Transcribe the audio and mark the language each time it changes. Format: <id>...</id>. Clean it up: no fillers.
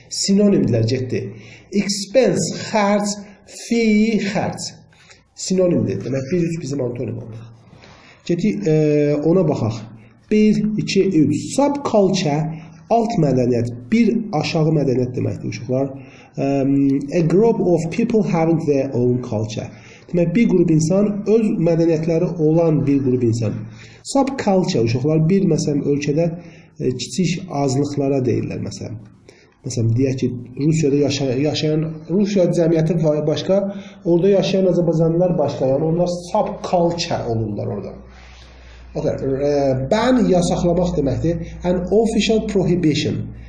<az>Sinonimdirlər, getdi. Expense, xərc, fee, xərc. Sinonimdir, demək, biz üç bizim antonim olmaq. Getdi, ona baxaq. 1, 2, 3. Subculture, alt mədəniyyət, bir aşağı mədəniyyət deməkdir uşaqlar.</az> <en>A group of people having their own culture.</en> <az>Demək, bir qrup insan, öz mədəniyyətləri olan bir qrup insan. Subculture, uşaqlar, bir, məsələn, ölkədə kiçik azlıqlara deyirlər, məsələn. Məsələn, deyək ki, Rusiyada yaşayan Rusiya cəmiyyəti başqa, orada yaşayan Azərbaycanlılar başqa, yəni onlar subculture olurlar orada. Okay. Ban, yasaqlamaq deməkdir.</az> <en>An official prohibition.</en>